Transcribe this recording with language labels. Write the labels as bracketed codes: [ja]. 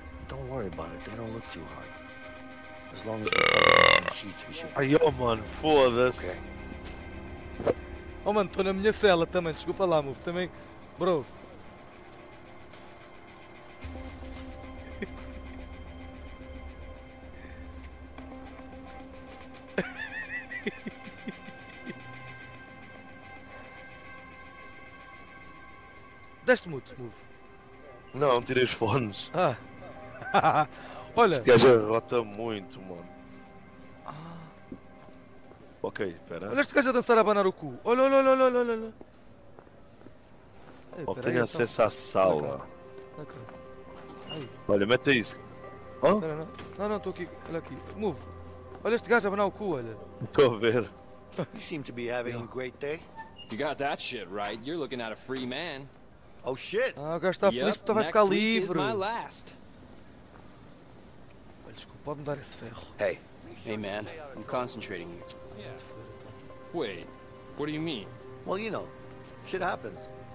[en] Don't worry about it, they don't look too hard. As long as we can get some sheets, we should. [pt] Ai, oh mano, foda-se. [en] Okay. [pt] Oh mano, estou na minha cela também, desculpa lá, move. Também. Bro. Teste muito, move. Não, tirei os fones. Ah. Olha. Este gajo arrota muito, mano. Ah. Ok, espera. Olha este gajo a dançar a banar o cu. Olha, olha, olha, olha, olha, olha. Ó, que tenho acesso à sala. Okay. Olha, mete isso. Oh? Pera, não, estou aqui. Olha aqui. Move. Olha este gajo a banar o cu, olha. Estou a ver. [en] You seem to be having a great day. You got that shit right. You're looking at a free man. Oh shit. [pt] Ah, o gajo está feliz porque vai ficar livre. Olha, desculpa, pode-me dar esse ferro. [en] Hey. Hey man, I'm concentrating here. Yeah. Wait, what do you mean? Well, you know, shit happens.